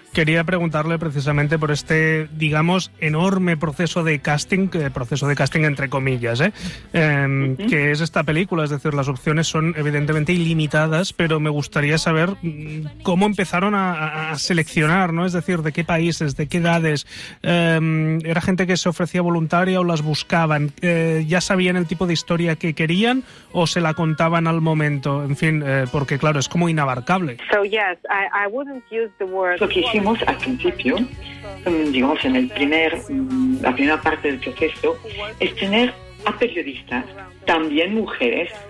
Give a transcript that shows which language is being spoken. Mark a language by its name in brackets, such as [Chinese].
[Spanish] Quería preguntarle precisamente por este, digamos, enorme proceso de casting entre comillas, que es esta película, es decir, las opciones son evidentemente ilimitadas, pero me gustaría saber cómo empezaron a seleccionar, ¿no? Es decir, de qué países, de qué edades, ¿era gente que se ofrecía voluntaria o las buscaban? ¿Ya sabían el tipo de historia que querían o se la contaban al momento? En fin, porque claro, es como inabarcable. [English] So, yes, I wouldn't use the word. [Spanish] Al principio, digamos en la primera parte del proceso, es tener a periodistas, también mujeres.